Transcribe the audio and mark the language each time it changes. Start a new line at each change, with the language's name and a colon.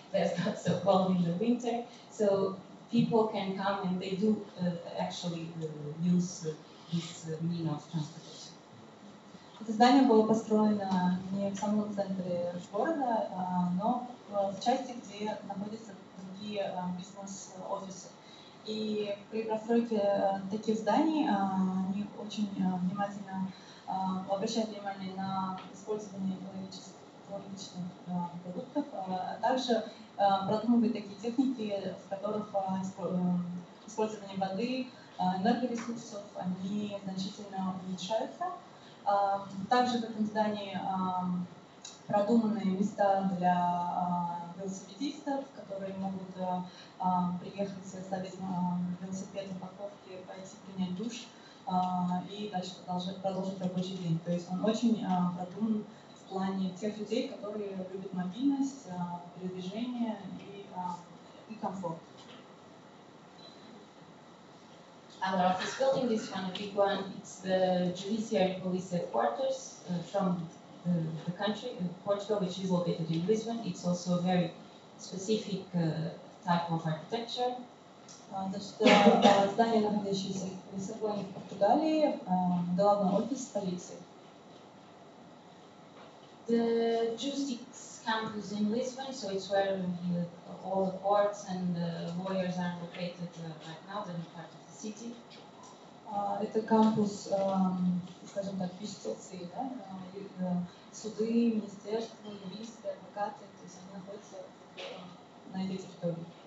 English: There's not so cold in the winter, so people can come and they do actually use this means of transportation.
Russian: Это здание было построено не в самом центре города, но в части, где находятся другие бизнес-офисы. И при постройке таких зданий они очень внимательно обращают внимание на использование экологичных продуктов, а также продумывают такие техники, в которых использование воды, энергоресурсов, они значительно уменьшаются. Также в этом здании продуманные места для велосипедистов, которые могут приехать, оставить велосипед на парковке, пойти принять душ и дальше продолжить рабочий день. То есть он очень продуман в плане тех людей, которые любят мобильность, передвижение и комфорт.
English: Our office building, this one, a big one, it's the judiciary police headquarters from the country, Portugal, which is located in Lisbon. It's also a very specific type of architecture.
Russian: Здание, находящееся в Лиссабоне, в Португалии, главный офис полиции.
English: The justice campus in Lisbon, so it's where all the courts and the lawyers are located right now, the new part of the city.
Russian: Это кампус, скажем так, юстиции, да? Суды, министерства, юристы, адвокаты, то есть они находятся на этой территории.